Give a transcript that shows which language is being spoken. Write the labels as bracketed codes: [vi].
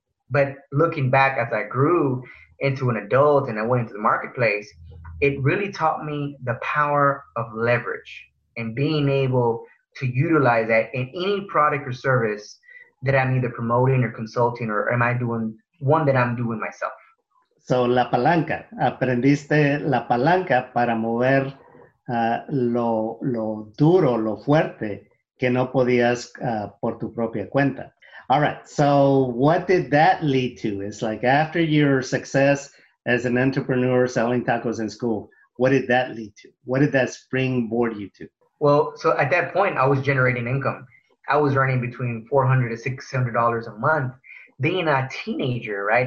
[en] But looking back as I grew into an adult and I went into the marketplace, it really taught me the power of leverage and being able to utilize that in any product or service that I'm either promoting or consulting, or am I doing one that I'm doing myself. [es] So la palanca, aprendiste la palanca para mover lo duro, lo fuerte, que no podías por tu propia cuenta. [en] All right, so what did that lead to? It's like after your success as an entrepreneur selling tacos in school, what did that lead to? What did that springboard you to? Well, so at that point, I was generating income. I was earning between $400 to $600 a month being a teenager, right?